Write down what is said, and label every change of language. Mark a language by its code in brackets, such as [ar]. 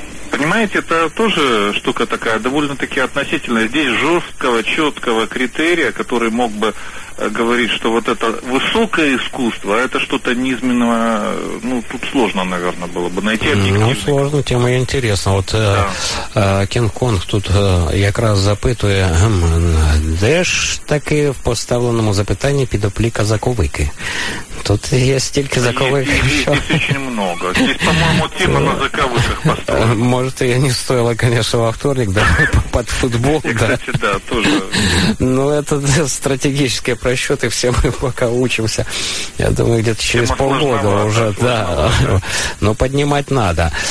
[ru] Понимаете, это тоже штука такая довольно-таки относительная. Здесь жесткого, четкого критерия, который мог бы говорить, что вот это высокое искусство, а это что-то низменное, ну, тут сложно, наверное, было бы найти объективный. Ну, сложно, тема интересна. Вот да. [uk] Кінг-Конг тут якраз запитує, де ж таки в поставленому запитанні підопліка заковики? [ru] Тут есть только заковыки. Здесь очень много. Здесь, по-моему, тема на заковыках поставлена. Может, я не стоила, конечно, во вторник, да, под футбол. Кстати, да, тоже. Ну, это стратегические просчеты, все мы пока учимся. Я думаю, где-то через полгода уже, да. Но поднимать надо.